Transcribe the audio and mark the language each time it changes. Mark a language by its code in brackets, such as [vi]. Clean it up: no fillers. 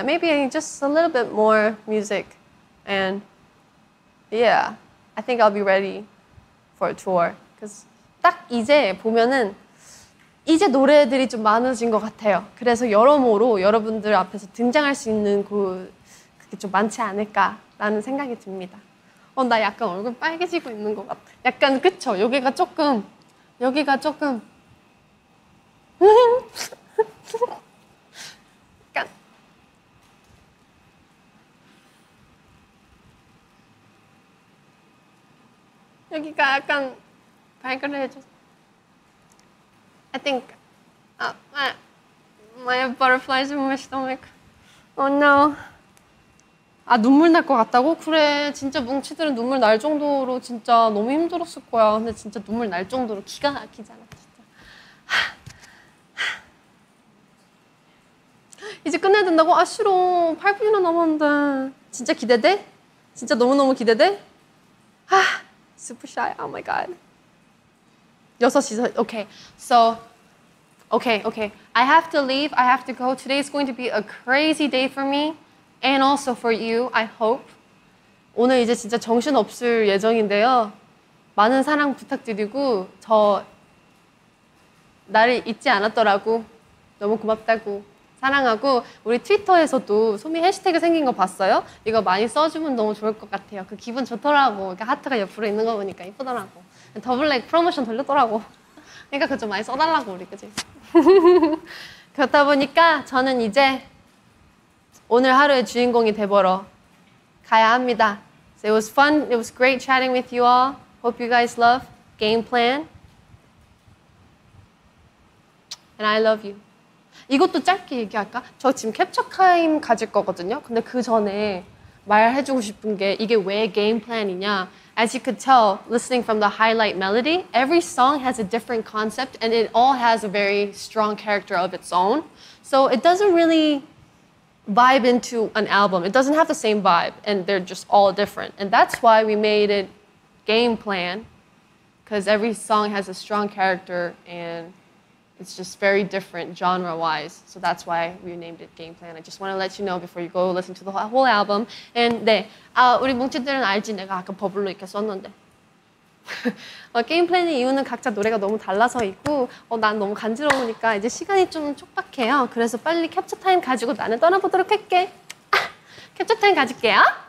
[en] Maybe just a little bit more music. And yeah, I think I'll be ready for a tour. Because [ko] 딱 이제 보면은 이제 노래들이 좀 많아진 것 같아요. 그래서 여러모로 여러분들 앞에서 등장할 수 있는 그게 좀 많지 않을까라는 생각이 듭니다. 어, 나 약간 얼굴 빨개지고 있는 것 같아. 약간 그쵸? 여기가 조금 약간 여기가 약간 발그레해져서 [en] I think my butterflies in my stomach. Oh no. [ko] 아, 눈물 날 것 같다고? 그래, 진짜 뭉치들은 눈물 날 정도로 진짜 너무 힘들었을 거야. 근데 진짜 눈물 날 정도로 기가 막히잖아, 진짜. 이제 끝내야 된다고? 아, 싫어. 8분이나 남았는데. 진짜 기대돼? 진짜 너무너무 기대돼? 하, [en] super shy, oh my god. [ko] 6시서, [en] okay. So, okay. I have to leave, I have to go. Today is going to be a crazy day for me. And also for you, I hope. [ko] 오늘 이제 진짜 정신 없을 예정인데요. 많은 사랑 부탁드리고 저 나를 잊지 않았더라고. 너무 고맙다고. 사랑하고 우리 트위터에서도 소미 해시태그 생긴 거 봤어요? 이거 많이 써주면 너무 좋을 것 같아요. 그 기분 좋더라고. 이렇게 하트가 옆으로 있는 거 보니까 이쁘더라고. 더블랙 프로모션 돌렸더라고. 그러니까 그거 좀 많이 써달라고 우리 그지? 그렇다 보니까 저는 이제 오늘 하루의 주인공이 되보러 가야 합니다. [en] So it was fun. It was great chatting with you all. Hope you guys love game plan. And I love you. [ko] 이것도 짧게 얘기할까? 저 지금 캡처카임 가질 거거든요. 근데 그 전에 말해주고 싶은 게 이게 왜 game plan이냐. [en] As you could tell, listening from the highlight melody, every song has a different concept and it all has a very strong character of its own. So it doesn't really vibe into an album. It doesn't have the same vibe and they're just all different. And that's why we made it game plan because every song has a strong character and it's just very different genre-wise. So that's why we named it game plan. I just want to let you know before you go listen to the whole album. [ko] And 네, 아, 우리 뭉치들은 알지? 내가 아까 버블로 이렇게 썼는데. 어, 게임 플랜의 이유는 각자 노래가 너무 달라서이고 어, 난 너무 간지러우니까 이제 시간이 좀 촉박해요. 그래서 빨리 캡처 타임 가지고 나는 떠나보도록 할게. 아, 캡처 타임 가질게요.